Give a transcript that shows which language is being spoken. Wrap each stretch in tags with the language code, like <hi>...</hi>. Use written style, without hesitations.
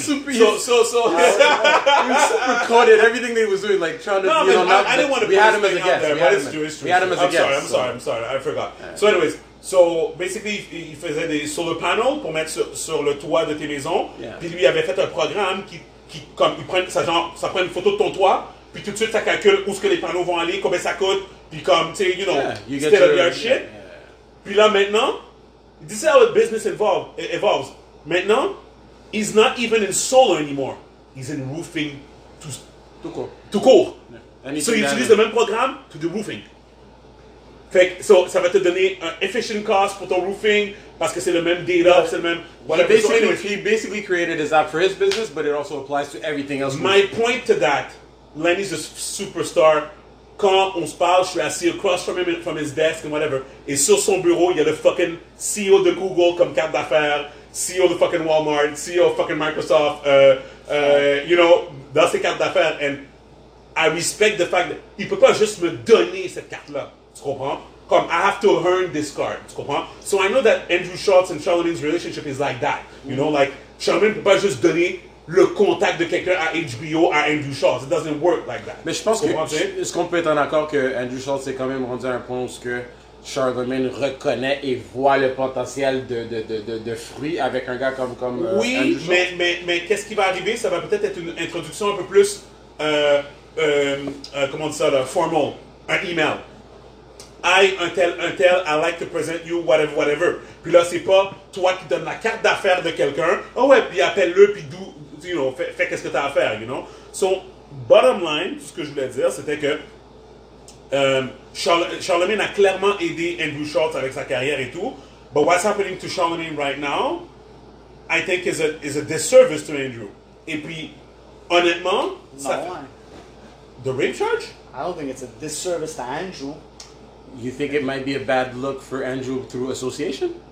<en>Recorded everything that he was doing, like trying to. No, you know, I didn't want to. We had him as a guest. There, we had him as a guest. I'm sorry. I forgot. Right. So, anyways, so basically, he</en> <fr>faisait des solar panels pour mettre sur le toit de tes maisons.</fr> <en>Yeah.</en> <fr>Puis lui avait fait un programme qui comme il prend ça prend une photo de ton toit, puis tout de suite ça calcule où ce que les panneaux vont aller, combien ça coûte, puis comme tu sais,</fr> <en>you know, yeah, you get your shit.</en> <fr>Puis là maintenant.</fr> <en>This is how the business evolves. Maintenant, he's not even in solar anymore. He's in roofing.</en> <fr>Tout court.</fr> <en>Yeah. So he uses the same program to do roofing.</en> <fr>So ça va te donner</fr> <en>an efficient cost for</en> <fr>ton roofing parce que c'est le même data, yeah. C'est le même whatever.</fr> <en>He basically created his app for his business, but it also applies to everything else. My point to that, Lenny's a superstar.</en> <fr>Quand on se parle, je suis assis</fr> <en>across from him from his desk</en> <fr>and whatever. Et sur son bureau, il y a le fucking CEO de Google comme carte d'affaires, CEO de fucking Walmart,</fr> <en>CEO of fucking Microsoft, you know,</en> <fr>dans ses cartes d'affaires.</fr> <en>And I respect the fact that</en> <fr>il peut pas juste me donner cette carte-là. Tu comprends?</fr> <en>Comme, I have to earn this card.</en> <fr>Tu comprends?</fr> <en>So I know that Andrew Schultz and Charlemagne's relationship is like that. You know, like,</en> <fr>Charlemagne peut pas juste donner le contact de quelqu'un à HBO à Andrew Schultz.</fr> <en>It doesn't work like that.</en> <fr>Mais je pense est-ce qu'on peut être en accord que Andrew Schultz s'est quand même rendu à un point où Charlemagne reconnaît et voit le potentiel de fruits avec un gars comme oui, Andrew Schultz? Oui, mais qu'est-ce qui va arriver? Ça va peut-être être une introduction un peu plus, comment dire ça, là, formal, un email.</fr> <en>Hi,</en> <fr>un tel,</fr> <en>I like to present you, whatever.</en> <fr>Puis là, c'est pas toi qui donnes la carte d'affaires de quelqu'un. Ah oh ouais, puis appelle-le, puis d'où.</fr> <en>You know,</en> <fr>fais qu'est-ce que tu as à faire,</fr> <en>you know? So, bottom line,</en> <fr>ce que je voulais dire, c'était que Charlemagne a clairement aidé Andrew Schultz avec sa carrière et tout.</fr> <en>But what's happening to Charlemagne right now, I think is a disservice to Andrew.</en> <fr>Et puis, honnêtement...</fr> <en>No, ça, why? The rape charge? I don't think it's a disservice to Andrew. You think it might be a bad look for Andrew through association?</en>